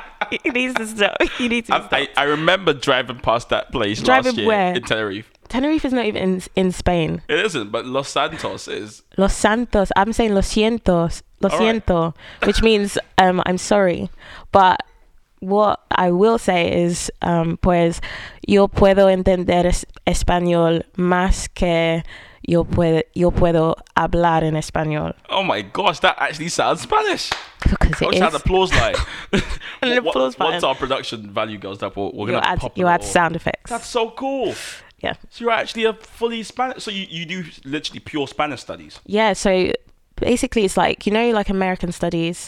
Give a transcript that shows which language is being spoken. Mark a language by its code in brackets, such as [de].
[en] He needs to stop. He needs to stop. I remember driving past that place last year. Where? In Tenerife. Tenerife is not even in Spain. It isn't, but Los Santos is. Los Santos. I'm saying lo siento, which means I'm sorry. [es] But what I will say is, pues, yo puedo entender español más que yo puedo hablar en español. [en] Oh my gosh, that actually sounds Spanish. Because it is. Had applause light. An applause button. Once our production value goes up, we're going to pop it. You add sound effects. That's so cool. Yeah. So you're actually a fully Spanish... So you do literally pure Spanish studies? Yeah, so basically it's like, you know, like American studies?